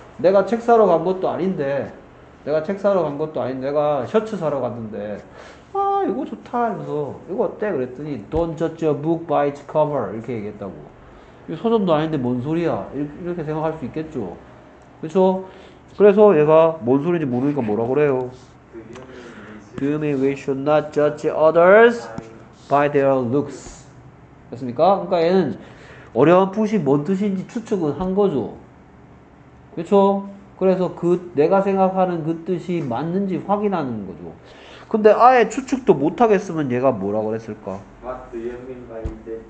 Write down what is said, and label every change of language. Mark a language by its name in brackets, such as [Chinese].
[Korean] 내가 책 사러 간 것도 아닌데 내가 셔츠 사러 갔는데 아 이거 좋다 하면서 이거 어때? 그랬더니 [English] Don't judge a book by its cover [Korean] 이렇게 얘기했다고. 이거 서점도 아닌데 뭔 소리야 이렇게 생각할 수 있겠죠. 그쵸? 그래서 얘가 뭔 소리인지 모르니까 뭐라 그래요? [English] Do you mean we should not judge others by their looks? [Korean] 됐습니까? 그러니까 얘는 어려운 푸시 뭔 뜻인지 추측은 한 거죠. 그쵸? 그래서 그 내가 생각하는 그 뜻이 맞는지 확인하는 거죠. 근데 아예 추측도 못 하겠으면 얘가 뭐라고 했을까? [English] What do you mean by that?